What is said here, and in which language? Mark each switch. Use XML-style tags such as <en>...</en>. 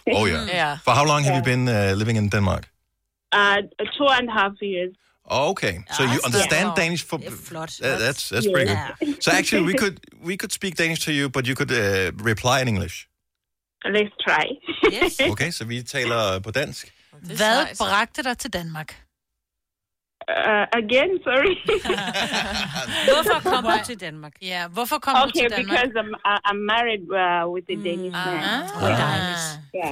<en>Oh, yeah. For how long have you been living in Denmark? 2.5 years. Okay, so you understand Danish for... That's pretty good. So actually, we could speak Danish to you, but you could reply in English. Let's try. Yes.</en> <da>Okay, så vi taler på dansk. Hvad bragte dig til Danmark?</da> <en>Again, sorry.</en> <da>Hvorfor kom du til Danmark? Ja, hvorfor kom du til Danmark?</da> <en>Okay, because I'm married with a Danish man.</en>